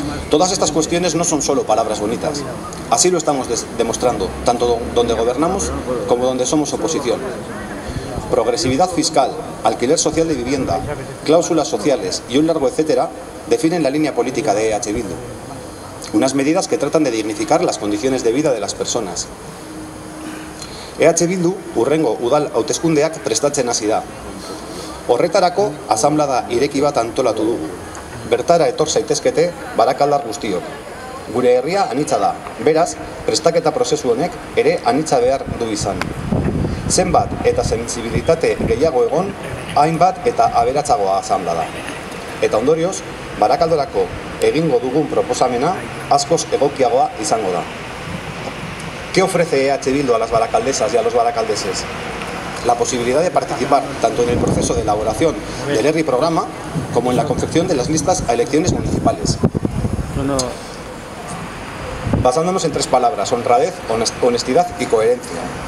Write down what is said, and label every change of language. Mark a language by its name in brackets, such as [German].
[Spanish] Todas estas cuestiones no son solo palabras bonitas. Así lo estamos demostrando, tanto donde gobernamos como donde somos oposición. Progresividad fiscal, alquiler social de vivienda, cláusulas sociales y un largo etcétera definen la línea política de EH Bildu. Unas medidas que tratan de dignificar las condiciones de vida de las personas. [Basque] EH Bildu, urrengo udal hauteskundeak prestatzen hasi da. Horretarako, asamblada ireki bat antolatu dugu. Bertara etor zaitezkete, barakaldar guztiok. Gure herria anitza da, beraz, prestaketa prozesu honek ere anitza behar du izan. Zenbat eta sensibilitate gehiago egon, hainbat eta aberatzagoa asamblea da. Eta ondorioz, barakaldorako egingo dugun proposamena askoz egokiagoa izango da. [Spanish] ¿Qué ofrece EH Bildu a las barakaldesas y a los barakaldeses? La posibilidad de participar tanto en el proceso de elaboración del herri programa como en la confección de las listas a elecciones municipales. Basándonos en tres palabras, honradez, honestidad y coherencia.